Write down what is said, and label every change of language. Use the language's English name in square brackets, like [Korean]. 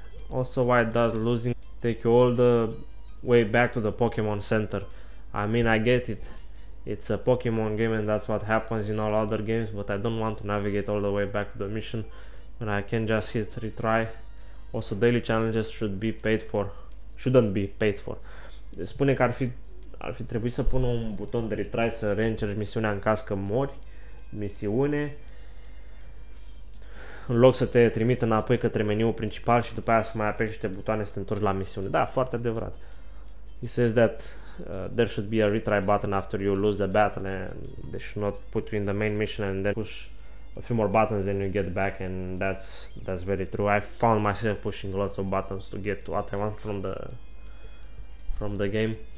[English] Also, why does losing take you all the way back to the Pokemon Center? I mean, I get it. It's a Pokemon game and that's what happens in all other games, but I don't want to navigate all the way back to the mission when I can just hit retry. Also, daily challenges should be paid for. Shouldn't be paid for. [Romanian] Spune că ar fi trebuit să pun un buton de retry să reîncerci misiunea în caz că mori. Misiune în loc să te trimită înapoi către meniul principal și după aia să mai apeși niște butoane să te întorci la misiune. Da, foarte adevărat. [English] He says that there should be a retry button after you lose the battle and they should not put you in the main mission and then push a few more buttons and you get back, and that's very true. I found myself pushing lots of buttons to get what I want from the game.